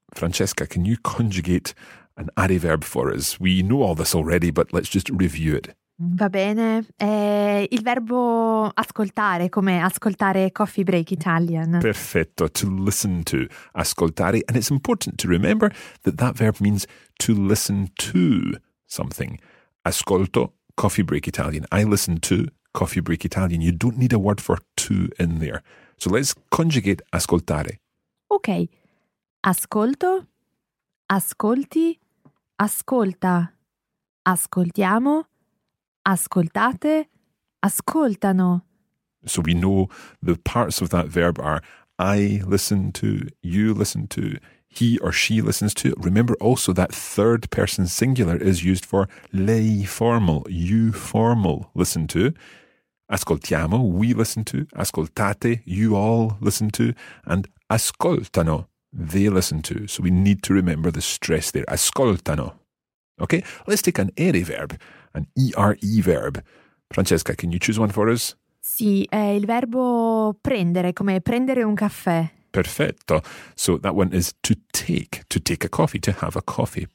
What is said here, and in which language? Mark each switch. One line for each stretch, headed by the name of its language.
English: Francesca, can you conjugate an are verb for us? We know all this already, but let's just review it.
Italian: Va bene. Il verbo ascoltare, come ascoltare Coffee Break Italian.
English: Perfetto, to listen to, ascoltare. And it's important to remember that that verb means to listen to something. Ascolto Coffee Break Italian. I listen to Coffee Break Italian. You don't need a word for to in there. So let's conjugate ascoltare. Ok.
Italian: Ascolto, ascolti, ascolta. Ascoltiamo. Ascoltate, ascoltano.
English: So we know the parts of that verb are I listen to, you listen to, he or she listens to. Remember also that third person singular is used for lei formal, you formal listen to. Ascoltiamo, we listen to, ascoltate, you all listen to, and ascoltano, they listen to. So we need to remember the stress there, ascoltano. Okay, let's take an ere verb. An ERE verb. Francesca, can you choose one for us?
Italian: Sì, è il verbo prendere, come prendere un caffè. Perfetto.
English: So that one is to take a coffee, to have a coffee.